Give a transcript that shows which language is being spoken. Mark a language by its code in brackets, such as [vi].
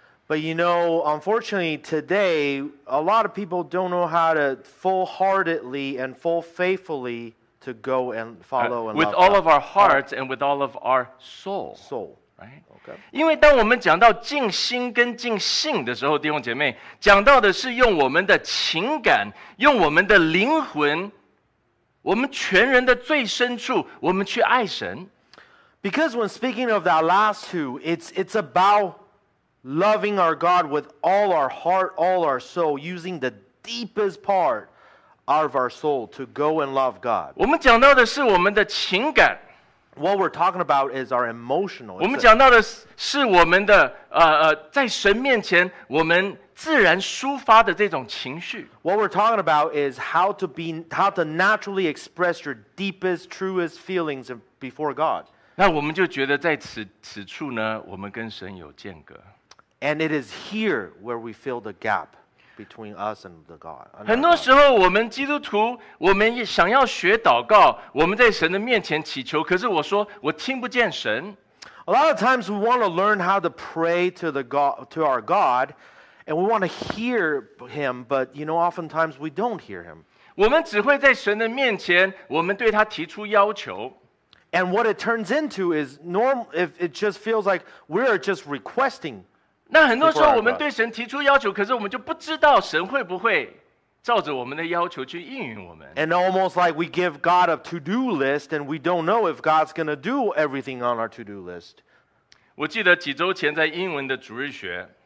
[en] But you know, unfortunately, today a lot of people don't know how to full-heartedly and full-faithfully to go and follow and with all of our hearts and with all of our soul. Soul, right? Okay. [zh] 因为当我们讲到尽心跟尽性的时候，弟兄姐妹，讲到的是用我们的情感，用我们的灵魂。我们全人的最深处，我们去爱神。 [en] Because when speaking of that last two, it's about loving our God with all our heart, all our soul, using the deepest part of our soul to go and love God. [zh] 我们讲到的是我们的情感。 [en] What we're talking about is our emotional. [zh] 我们讲到的是我们的在神面前我们。自然抒发的这种情绪。 [en] What we're talking about is how to naturally express your deepest, truest feelings before God. [zh] 那我们就觉得在此处呢，我们跟神有间隔。 [en] And it is here where we feel the gap between us and the God. [zh] 很多时候，我们基督徒，我们想要学祷告，我们在神的面前祈求，可是我说我听不见神。 [en] A lot of times we want to learn how to pray to the God to our God. And we want to hear him, but you know, oftentimes we don't hear him. [zh] 我们只会在神的面前，我们对他提出要求。 [en] And what it turns into is normal. If it just feels like we're just requesting. [zh] 那很多时候我们对神提出要求，可是我们就不知道神会不会照着我们的要求去应允我们。 [en] And almost like we give God a to-do list, and we don't know if God's going to do everything on our to-do list. [zh] 我记得几周前在英文的主日学。